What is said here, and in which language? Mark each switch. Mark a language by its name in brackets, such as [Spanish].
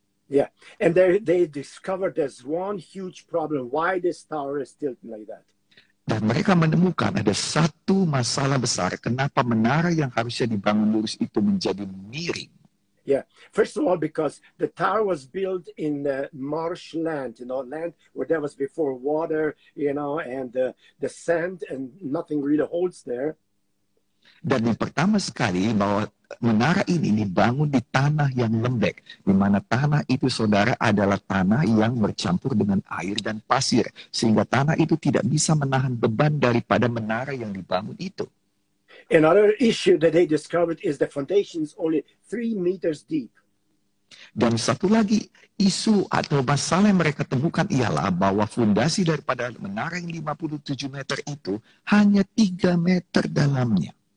[English] Yeah, and they discovered there's one huge problem why this tower is tilting like that. [Indonesian] Dan mereka menemukan ada satu masalah besar kenapa menara yang harusnya dibangun lurus itu menjadi miring. [English] Yeah, first of all because the tower was built in marshland, you know, land where there was before water, you know, and the sand and nothing really holds there. [Indonesian] Dan yang pertama sekali bahwa menara ini dibangun di tanah yang lembek, di mana tanah itu, saudara, adalah tanah yang bercampur dengan air dan pasir, sehingga tanah itu tidak bisa menahan beban daripada menara yang dibangun itu. [English] Another issue that they discovered is the foundation is only 3 meters deep. [Indonesian] Dan satu lagi isu atau masalah yang mereka temukan ialah bahwa fondasi daripada menara yang 57 meter itu hanya 3 meter dalamnya.